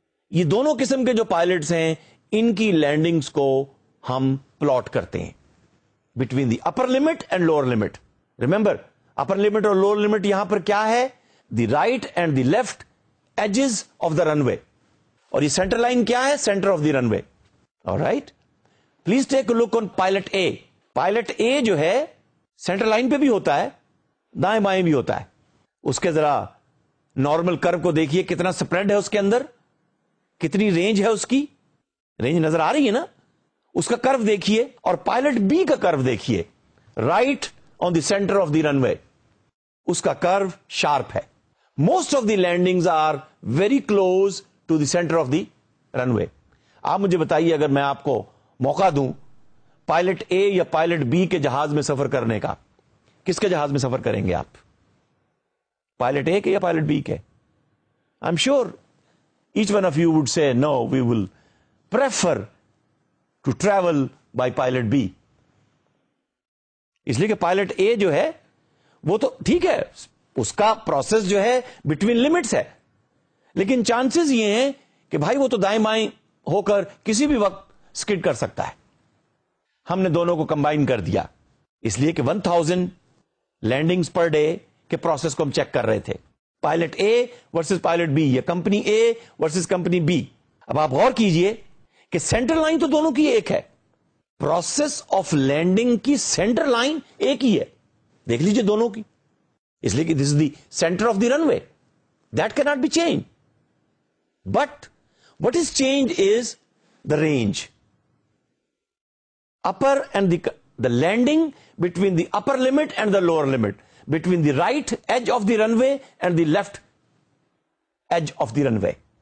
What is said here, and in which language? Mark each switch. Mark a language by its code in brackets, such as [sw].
[ur] یہ دونوں قسم کے جو پائلٹس ہیں ان کی لینڈنگز کو ہم پلاٹ کرتے ہیں [en] Between the upper limit and lower limit. [ur] Remember upper limit اور لوور لمٹ یہاں پر کیا ہے, [en] the right and the left edges of the runway, [ur] اور یہ سینٹر لائن کیا ہے, [en] Centre of the runway. Right, please take a look on pilot A. [ur] Pilot اے جو ہے سینٹر لائن پہ بھی ہوتا ہے, دائیں بائیں بھی ہوتا ہے. اس کے ذرا نارمل کرو کو دیکھیے کتنا سپریڈ ہے اس کے اندر, کتنی رینج ہے اس کی, رینج نظر آ رہی ہے نا, اس کا کرو دیکھیے اور پائلٹ بی کا کرو دیکھیے, [en] right on the centre of the runway, [ur] اس کا کرو شارپ ہے. [en] Most of the landings are very close to the centre of the runway. [ur] آپ مجھے بتائیے اگر میں آپ کو موقع دوں پائلٹ اے یا پائلٹ بی کے جہاز میں سفر کرنے کا, کس کے جہاز میں سفر کریں گے آپ, پائلٹ اے کے یا پائلٹ بی کے؟ [en] I am sure each one of you would say no, we will prefer to travel by pilot B. [ur] اس لیے کہ پائلٹ اے جو ہے وہ تو ٹھیک ہے, اس کا پروسیس جو ہے بٹوین لمٹس ہے, لیکن چانسز یہ ہیں کہ بھائی وہ تو دائیں بائیں ہو کر کسی بھی وقت سکٹ کر سکتا ہے. ہم نے دونوں کو کمبائن کر دیا اس لیے کہ 1000 لینڈنگز پر ڈے کے پروسیس کو ہم چیک کر رہے تھے, pilot A versus pilot be یا company A versus company B. اب آپ غور کیجئے کہ سینٹر لائن تو دونوں کی ایک ہے, پروسیس آف لینڈنگ کی سینٹر لائن ایک ہی ہے, دیکھ لیجئے دونوں کی, اس لیے کہ [en] This is the centre of the runway, that can not be change. But what is changed is the range, upper and the landing between the upper limit and the lower limit, between the right edge of the runway and the left edge of the runway.